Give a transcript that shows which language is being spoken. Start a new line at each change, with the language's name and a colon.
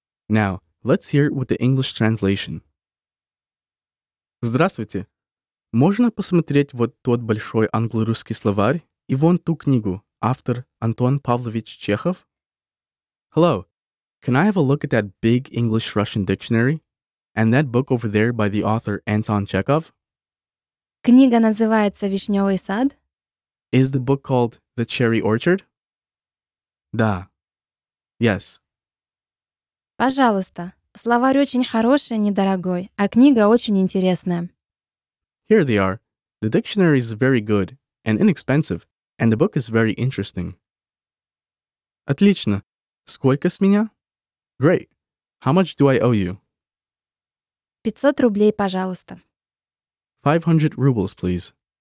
English: Now, let's hear it with the English translation.
Russian: Здравствуйте. Можно посмотреть вот тот большой англо-русский словарь и вон ту книгу, автор Антон Павлович Чехов?
English: Hello. Can I have a look at that big English-Russian dictionary and that book over there by the author Anton Chekhov?
Russian: Книга называется «Вишневый сад»?
English: Is the book called «The Cherry Orchard»?
Russian: Да.
English: Yes.
Russian: Пожалуйста. Словарь очень хороший, недорогой, а книга очень интересная.
English: Here they are. The dictionary is very good and inexpensive, and the book is very interesting.
Russian: Отлично. Сколько с меня?
English: Great. How much do I owe you?
Russian: 500 рублей, пожалуйста.
English: 500 rubles, please.